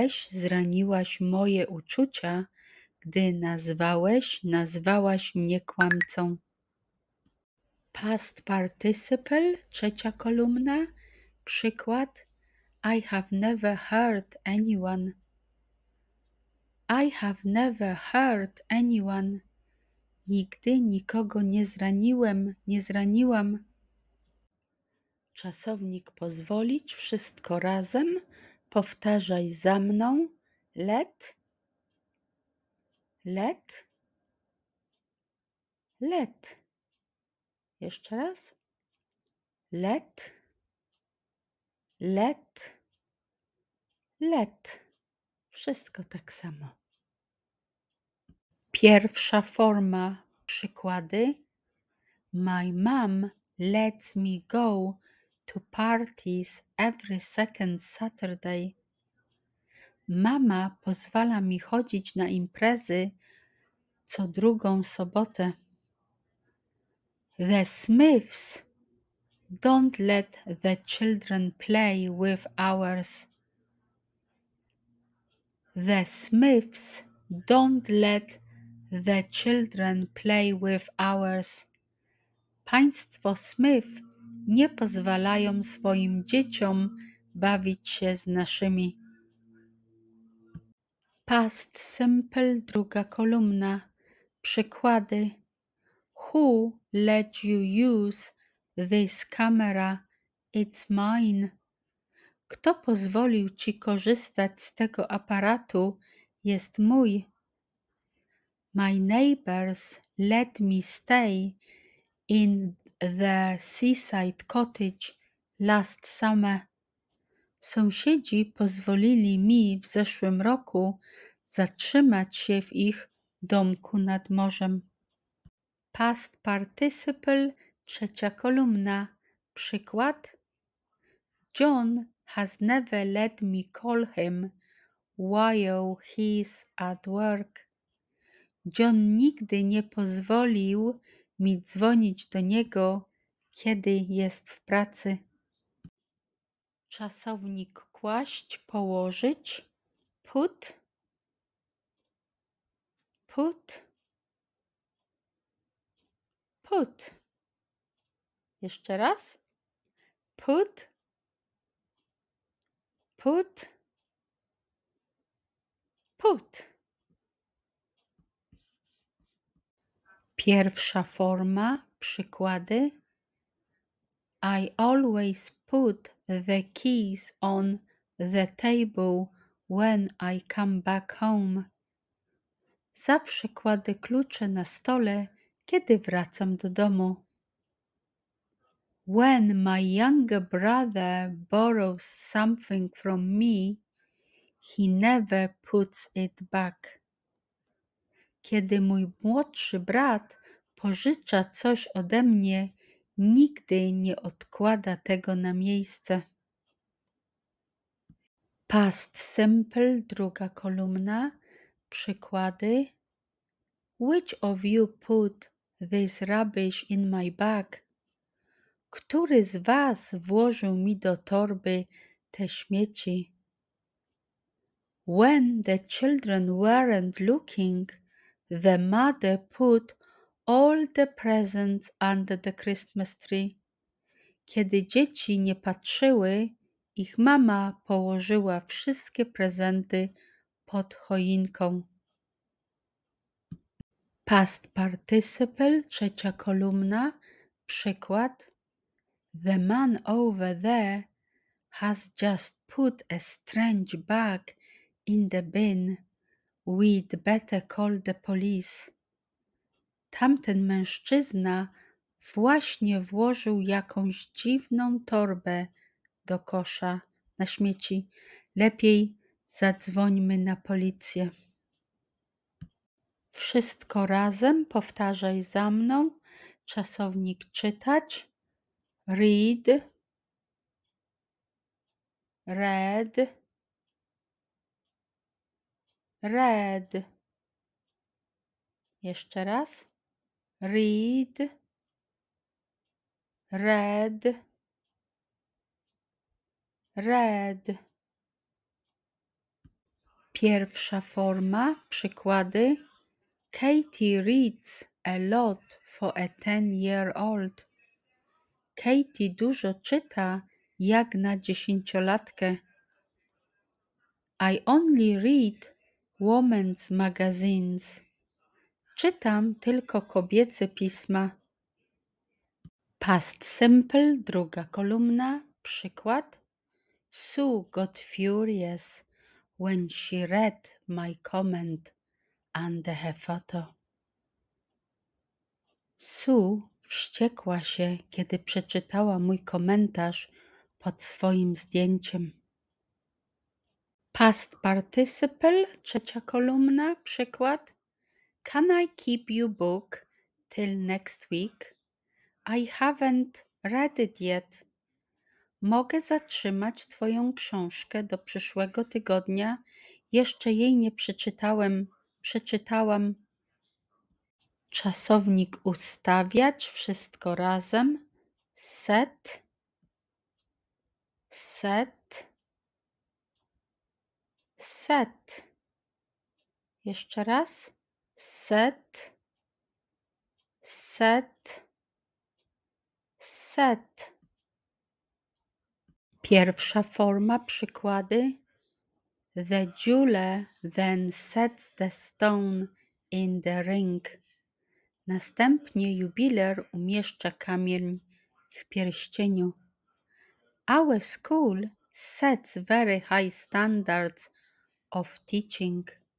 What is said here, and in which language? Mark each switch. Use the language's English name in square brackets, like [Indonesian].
[Polish] Zraniłaś moje uczucia, gdy nazwałaś mnie kłamcą. Past participle, trzecia kolumna, przykład. [English] I have never hurt anyone. I have never hurt anyone. [Polish] Nigdy nikogo nie zraniłam. Czasownik pozwolić, wszystko razem. Powtarzaj za mną. [English] Let. Let. Let. [Polish] Jeszcze raz. [English] Let. Let. Let. [Polish] Wszystko tak samo. Pierwsza forma, przykłady. [English] My mom lets me go to parties every second Saturday. [Polish] Mama pozwala mi chodzić na imprezy co drugą sobotę. [English] The Smiths don't let the children play with ours. The Smiths don't let the children play with ours. [Polish] Państwo Smith nie pozwalają swoim dzieciom bawić się z naszymi. Past simple, druga kolumna. Przykłady. [English] Who let you use this camera? It's mine. [Polish] Kto pozwolił ci korzystać z tego aparatu? Jest mój. [English] My neighbors let me stay in their seaside cottage last summer. [Polish] Sąsiedzi pozwolili mi w zeszłym roku zatrzymać się w ich domku nad morzem. Past participle, trzecia kolumna. Przykład. [English] John has never let me call him while he's at work. [Polish] John nigdy nie pozwolił mi dzwonić do niego, kiedy jest w pracy. Czasownik kłaść, położyć. [English] Put. Put. Put. [Polish] Jeszcze raz. [English] Put. Put. Put. [Polish] Pierwsza forma, przykłady. [English] I always put the keys on the table when I come back home. [Polish] Zawsze kładę klucze na stole, kiedy wracam do domu. [English] When my younger brother borrows something from me, he never puts it back. [Polish] Kiedy mój młodszy brat pożycza coś ode mnie, nigdy nie odkłada tego na miejsce. Past simple, druga kolumna, przykłady. [English] Which of you put this rubbish in my bag? [Polish] Który z was włożył mi do torby te śmieci? [English] When the children weren't looking, the mother put all the presents under the Christmas tree. [Polish] Kiedy dzieci nie patrzyły, ich mama położyła wszystkie prezenty pod choinką. Past participle, trzecia kolumna, przykład. [English] The man over there has just put a strange bag in the bin. We'd better call the police. [Polish] tamten mężczyzna właśnie włożył jakąś dziwną torbę do kosza na śmieci. Lepiej zadzwońmy na policję. Wszystko razem powtarzaj za mną. Czasownik czytać. [English] Read. Red. Red. [Polish] Jeszcze raz. [English] Read. Red. Red. [Polish] Pierwsza forma, przykłady. [English] Katie reads a lot for a 10-year-old. [Polish] Katie dużo czyta, jak na dziesięciolatkę. [English] I only read women's magazines. [Polish] Czytam tylko kobiece pisma. Past simple, druga kolumna, przykład. [English] Sue got furious when she read my comment under her photo. [Polish] Sue wściekła się, kiedy przeczytała mój komentarz pod swoim zdjęciem. Past participle, trzecia kolumna, przykład. [English] Can I keep you book till next week? I haven't read it yet. [Polish] Mogę zatrzymać twoją książkę do przyszłego tygodnia. Jeszcze jej nie przeczytałem. Przeczytałam. Czasownik ustawiać, wszystko razem. [English] Set. Set. Set. [Polish] Jeszcze raz. [English] Set. Set. Set. [Polish] Pierwsza forma, przykłady. [English] The jeweler then sets the stone in the ring. [Polish] Następnie jubiler umieszcza kamień w pierścieniu. [English] Our school sets very high standards of teaching.